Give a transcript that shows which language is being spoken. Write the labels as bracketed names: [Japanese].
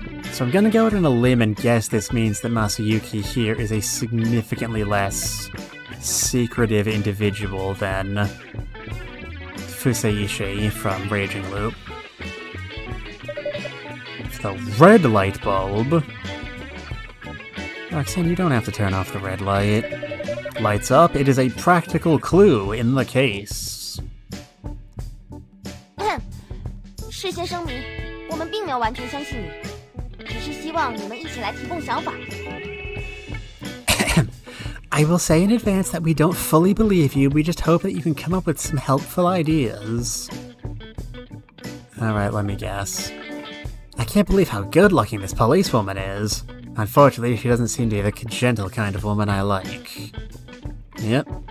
[English] So I'm gonna go out on a limb and guess this means that Masayuki here is a significantly less secretive individual than Fuseishi from Raging Loop. The red light bulb. Roxanne, you don't have to turn off the red light. Lights up, it is a practical clue in the case. [Chinese] 事先声明，我们并没有完全相信你，只是希望你们一起来提供想法。 [English] I will say in advance that we don't fully believe you. We just hope that you can come up with some helpful ideas. All right, let me guess. I can't believe how good-looking this policewoman is. Unfortunately, she doesn't seem to be the gentle kind of woman I like. Yep.